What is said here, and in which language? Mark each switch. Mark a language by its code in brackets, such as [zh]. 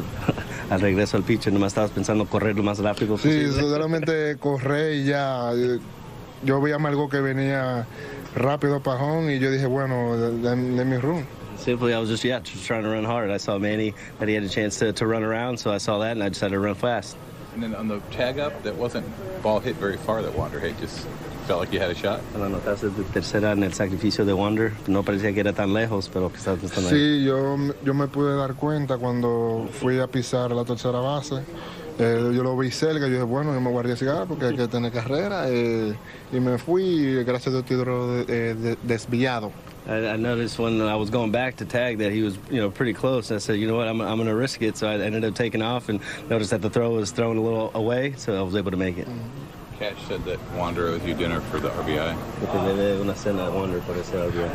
[en] the ball you hit back to the mound, thinking, just run as fast as you can at that point? [es] Sí, solamente correr y ya. Yo veía algo que venía rápido para home, y yo dije, bueno, [en] let me run. Simply, I was just trying to run hard. I saw Manny that he had a chance to run around, so I saw that, and I decided to run fast. And then on the tag up, that wasn't ball hit very far. That Wander hit, just felt like you had a shot. [es] La notaste de tercera en el sacrificio de Wander. No parecía que era tan lejos, pero quizás no estaba. Sí, yo me pude dar cuenta cuando fui a pisar la tercera base. Yo lo vi cerca. Yo dije, bueno, yo me voy a arriesgar porque hay que tener carrera, y me fui. Y gracias a Dios, tiro desviado. [en] I noticed when I was going back to tag that he was, you know, pretty close. I said, you know what, I'm going to risk it. So I ended up taking off and noticed that the throw was thrown a little away, so I was able to make it. Cash said that Wander owes you dinner for the RBI. [es] Porque debe una cena a Wander por ese RBI.